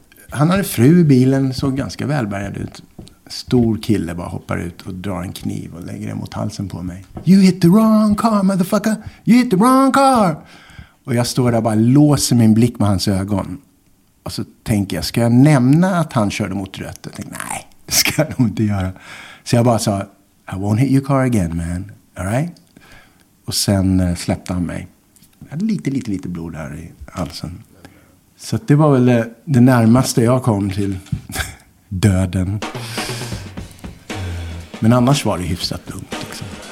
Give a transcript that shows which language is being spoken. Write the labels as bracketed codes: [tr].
[sv] Han hade fru i bilen, såg ganska välbärgad ut. Stor kille bara hoppar ut och drar en kniv och lägger den mot halsen på mig. [en] You hit the wrong car, motherfucker. You hit the wrong car. [sv] Och jag står där och bara låser min blick med hans ögon. Och så tänker jag, ska jag nämna att han körde mot rött? Jag tänkte, nej, det ska jag nog inte göra. Så jag bara sa, [en] I won't hit your car again, man. All right? [sv] Och sen släppte han mig. Jag hade lite blod här i halsen. Så det var väl det närmaste jag kom till döden. Men annars var det hyfsat lugnt liksom.